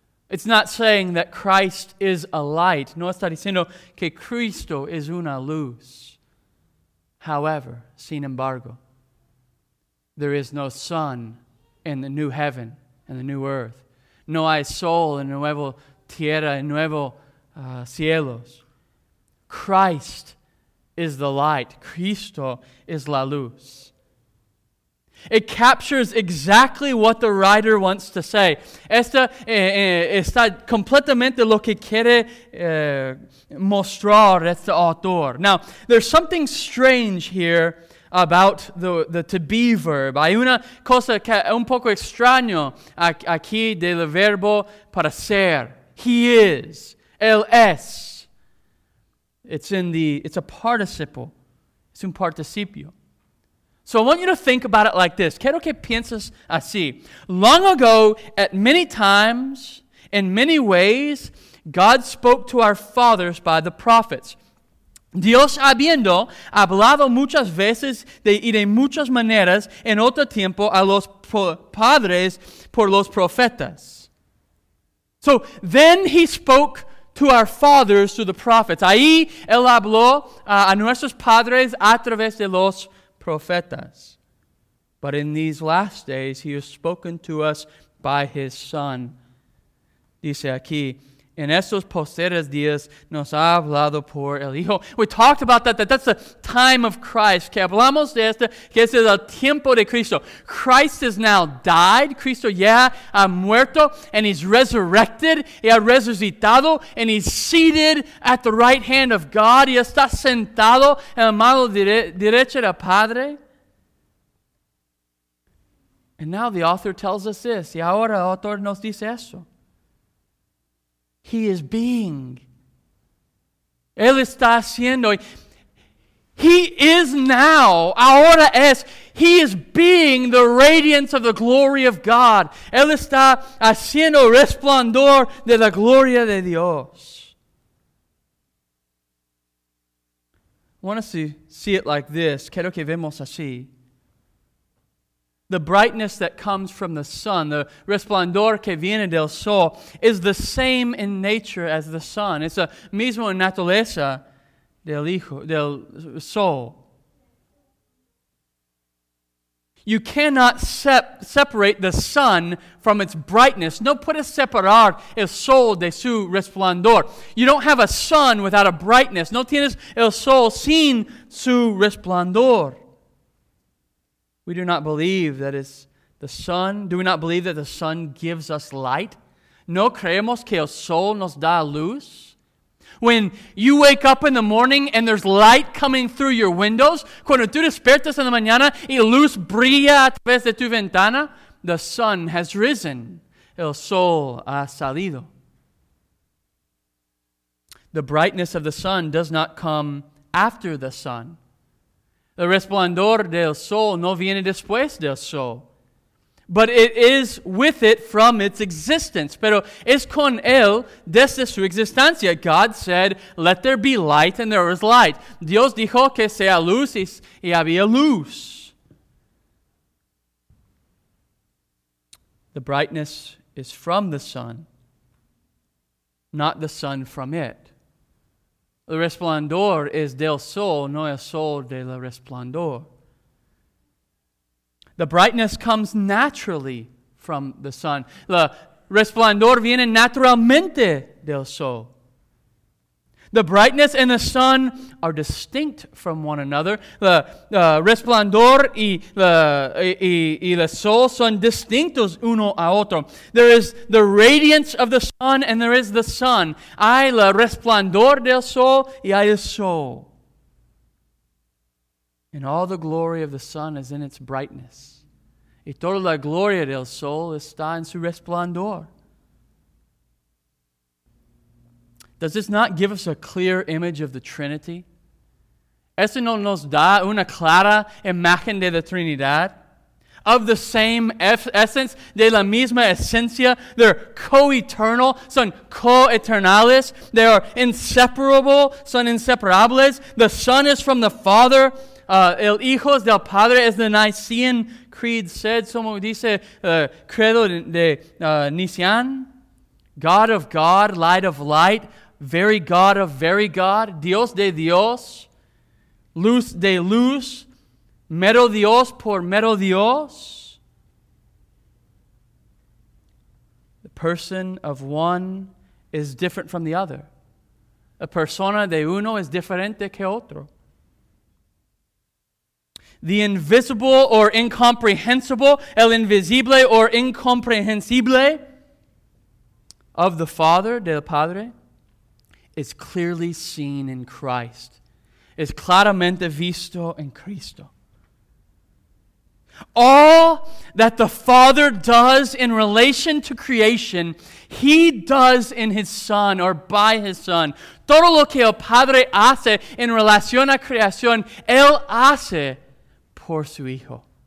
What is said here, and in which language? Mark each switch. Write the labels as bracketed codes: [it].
[en] It's not saying that Christ is a light. [es] No está diciendo que Cristo es una luz. [en] However, [es] sin embargo, [en] there is no sun in the new heaven and the new earth. [es] No hay sol en nuevo tierra y nuevo cielos. [en] Christ is the light. [es] Cristo is la luz. [en] It captures exactly what the writer wants to say. [es] Esta está completamente lo que quiere mostrar este autor. [en] Now, there's something strange here about the to be verb. [es] Hay una cosa que un poco extraño aquí del verbo para ser. [en] He is. [es] Él es. [en] It's a participle. It's [es] un participio. [en] So I want you to think about it like this. [es] Quiero que pienses así. [en] Long ago, at many times, in many ways, God spoke to our fathers by the prophets. [es] Dios habiendo hablado muchas veces y de muchas maneras en otro tiempo a los padres por los profetas. [en] So then He spoke to our fathers, through the prophets. [es] Ahí, Él habló a nuestros padres a través de los profetas. [en] But in these last days, He has spoken to us by His Son. [es] Dice aquí, en estos posteriores días, nos ha hablado por el Hijo. [en] We talked about that's the time of Christ. [es] Que hablamos de esto, que este es el tiempo de Cristo. [en] Christ has now died. [es] Cristo ya ha muerto, [en] and He's resurrected. [es] Y ha resucitado, [en] and He's seated at the right hand of God. [es] Y está sentado en la mano derecha del Padre. [en] And now the author tells us this. [es] Y ahora el autor nos dice esto. [en] He is being. [es] Él está haciendo. [en] He is now, [es] ahora es, [en] he is being the radiance of the glory of God. [es] Él está haciendo resplandor de la gloria de Dios. [en] Want us to see it like this. [es] Quiero que vemos así. [en] The brightness that comes from the sun, the [es] resplandor que viene del sol, [en] is the same in nature as the sun. It's a [es] mismo en naturaleza del hijo, del sol. [en] You cannot separate the sun from its brightness. [es] No puedes separar el sol de su resplandor. [en] You don't have a sun without a brightness. [es] No tienes el sol sin su resplandor. [en] We do not believe that it's the sun. Do we not believe that the sun gives us light? [es] No creemos que el sol nos da luz. [en] When you wake up in the morning and there's light coming through your windows, [es] cuando tú despiertas en la mañana y luz brilla a través de tu ventana, [en] the sun has risen. [es] El sol ha salido. [en] The brightness of the sun does not come after the sun. [es] The resplandor del sol no viene después del sol. [en] But it is with it from its existence. [es] Pero es con él desde su existencia. [en] God said, let there be light, and there was light. [es] Dios dijo que sea luz, y había luz. [en] The brightness is from the sun, not the sun from it. [es] The resplandor is del sol, no el sol de la resplandor. [en] The brightness comes naturally from the sun. [es] La resplandor viene naturalmente del sol. [en] The brightness and the sun are distinct from one another. [es] La resplandor y el sol son distintos uno a otro. [en] There is the radiance of the sun and there is the sun. [es] Hay la resplandor del sol y hay el sol. [en] And all the glory of the sun is in its brightness. [es] Y toda la gloria del sol está en su resplandor. [en] Does this not give us a clear image of the Trinity? [es] ¿Eso no nos da una clara imagen de la Trinidad? [en] Of the same essence, [es] de la misma esencia, [en] they're co-eternal, [es] son co-eternales, [en] they are inseparable, [es] son inseparables. [en] The Son is from the Father. [es] El Hijo es del Padre, [en] as the Nicene Creed said, [es] como dice Credo de Nicean, [en] God of God, Light of Light, Very God of Very God, [es] Dios de Dios, Luz de Luz, Mero Dios por Mero Dios. [en] The person of one is different from the other. [es] A persona de uno es diferente que otro. [en] The invisible or incomprehensible, [es] el invisible [en] or incomprehensible of the Father, [es] del Padre, [en] is clearly seen in Christ. [es] Es claramente visto en Cristo. [en] All that the Father does in relation to creation, He does in His Son or by His Son. [es] Todo lo que el Padre hace en relación a creación, Él hace por su hijo.